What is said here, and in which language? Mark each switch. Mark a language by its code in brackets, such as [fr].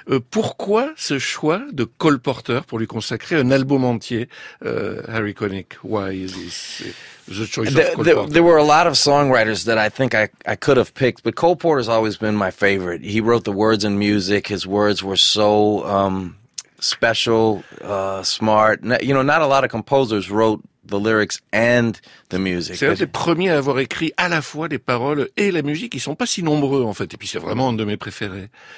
[fr] Pourquoi ce choix de Cole Porter pour lui consacrer un album entier, Harry Connick? [en] Why is this the choice of Cole Porter? There were a lot of songwriters that I think I could have picked, but Cole Porter's always been my favorite. He wrote the words and music. His words were so special, smart. You know, not a lot of composers wrote the lyrics and the music. [fr] C'est un des premiers à avoir écrit à la fois les paroles et la musique. Ils sont pas si nombreux, en fait. Et puis, c'est vraiment un de mes préférés.